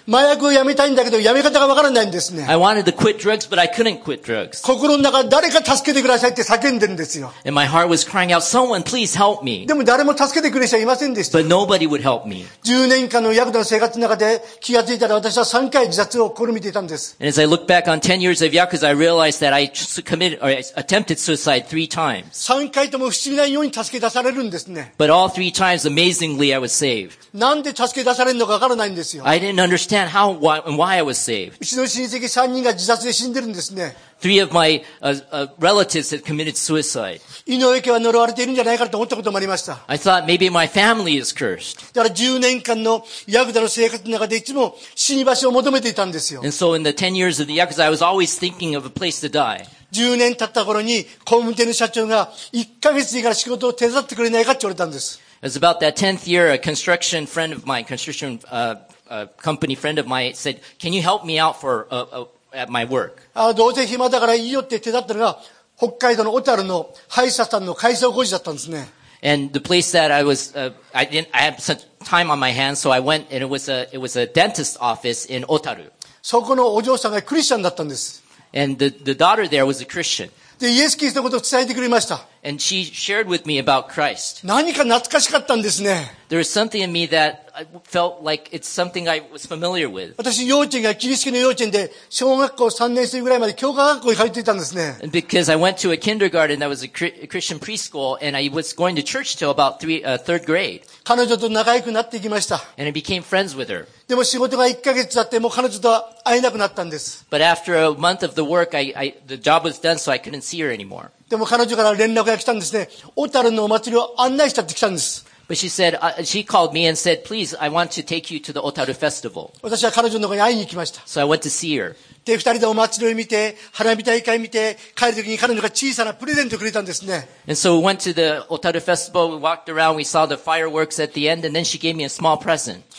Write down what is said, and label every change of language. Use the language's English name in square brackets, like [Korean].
[Japanese] 麻薬をやめたいんだけどやめ方がわからないんですね。 [English] I wanted to quit drugs, but I couldn't quit drugs. [Japanese] 心の中誰か助けてくださいって叫んでるんですよ。 [English] And my heartwas crying out, someone please help me. [Japanese] でも誰も助けてくれる人はいませんでした。 [English] But nobody would help me. [Japanese] 10年間のヤクザの生活の中で気がついたら私は3回自殺を試みていたんです。 [English] And as I look back on 10 years of Yakuza, I realized that I committed or attempted suicide 3 times. [Japanese] 3回とも不思議なように助け出されるんですね。 [English] But all 3 times, amazingly, I was saved. [Japanese] なんで助け出されるのかわからないんですよ。 [English] I didn't understand how and why I was saved. [Japanese] うちの親戚3人が自殺で死んでるんですね。 [English] Three of my relatives had committed suicide. [Japanese] 井上家は呪われているんじゃないかと思ったこともありました。 [English] I thought maybe my family is cursed. [Japanese] だから10年間のヤクザの生活の中でいつも死に場所を求めていたんですよ。 [English] And so in the 10 years of the Yakuza, I was always thinking of a place to die. [Japanese] 10年経った頃に工務店の社長が1ヶ月でいいから仕事を手伝ってくれないかって言われたんです。 [English] It was about that 10th year, a construction friend of mine, construction, company friend of mine said, can you help me out for, at my work? [Japanese] どうせ暇だからいいよって手伝ったのが北海道の小樽の歯医者さんの改装工事だったんですね。 [English] And the place that I was, I had some time on my hands, so I went and it was a dentist's office in 小樽。 [Japanese] そこのお嬢さんがクリスチャンだったんです。 [English] And the daughter there was a Christian. [Japanese] で、イエス・キリストのことを伝えてくれました。 [English] And she shared with me about Christ. [Japanese] 何か懐かしかったんですね。 [English] There was something in me that I felt like it's something I was familiar with. [Japanese] 私、幼稚園がキリスト教の幼稚園で、小学校3年生ぐらいまで教科学校に通っていたんですね。 [English] And because I went to a kindergarten that was a Christian preschool, and I was going to church till about third grade. [Japanese] 彼女と仲良くなっていきました。 [English] And I became friends with her. [Japanese] でも仕事が1ヶ月経ってもう彼女とは会えなくなったんです。 [English] But after a month of the work, the job was done, so I couldn't see her anymore. [Japanese] でも彼女から連絡が来たんですね。小樽のお祭りを案内したって来たんです。 [English] But she called me and said, please, I want to take you to the Otaru Festival. [Japanese] 私は彼女の方に会いに行きました。 [English] So I went to see her. [Japanese] で、二人でお祭りを見て、花火大会見て、帰るときに彼女が小さなプレゼントをくれたんですね。 [English] And so we went to the Otaru Festival, we walked around, we saw the fireworks at the end, and then she gave me a small present.